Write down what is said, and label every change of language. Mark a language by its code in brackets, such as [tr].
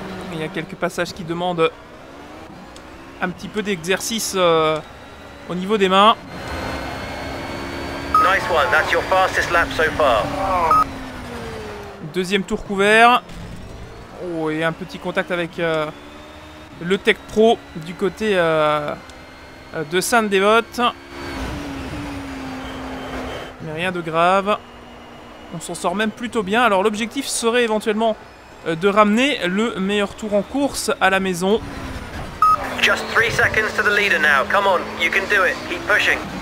[fr] mais il y a quelques passages qui demandent un petit peu d'exercice au niveau des mains. [en] Nice one, that's your fastest lap so far. [fr] Deuxième tour couvert. Oh, et un petit contact avec le Tech Pro du côté de Saint-Devot. Mais rien de grave. On s'en sort même plutôt bien. Alors l'objectif serait éventuellement de ramener le meilleur tour en course à la maison. [en] Just 3 seconds to the leader now. Come on, you can do it. Keep pushing.